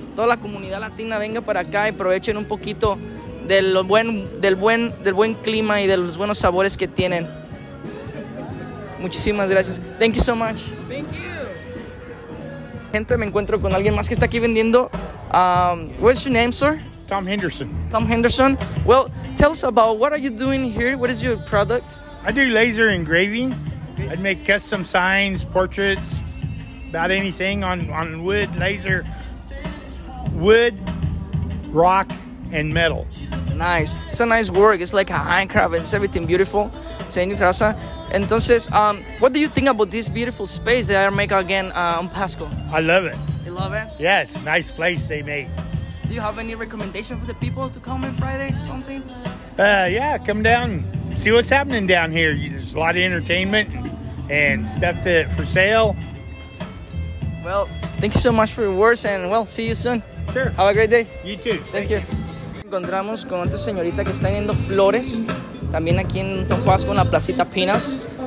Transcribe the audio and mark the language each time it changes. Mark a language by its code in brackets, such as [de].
[es] Toda la comunidad latina venga para acá y aprovechen un poquito del buen clima y de los buenos sabores que tienen. Muchísimas gracias. [en] Thank you so much. Thank you. [es] Gente, me encuentro con alguien más que está aquí vendiendo. [en] What's your name, sir? Tom Henderson. Tom Henderson. Well, tell us about what are you doing here? What is your product? I do laser engraving. I make custom signs, portraits, about anything on wood, laser, wood, rock, and metal. Nice. It's a nice work. It's like a handcraft. It's everything beautiful. Señor Graza. [es] Entonces, [en] what do you think about this beautiful space that I make again on Pasco? I love it. You love it? Yeah, it's a nice place they make. Do you have any recommendation for the people to come on Friday, something? Yeah, come down, see what's happening down here. There's a lot of entertainment and stuff for sale. Well, thank you so much for your words and, well, see you soon. Sure. Have a great day. You too. Thank you. [es] Encontramos con otra señorita que está vendiendo flores también aquí en Tompasco, en la placita Peanuts.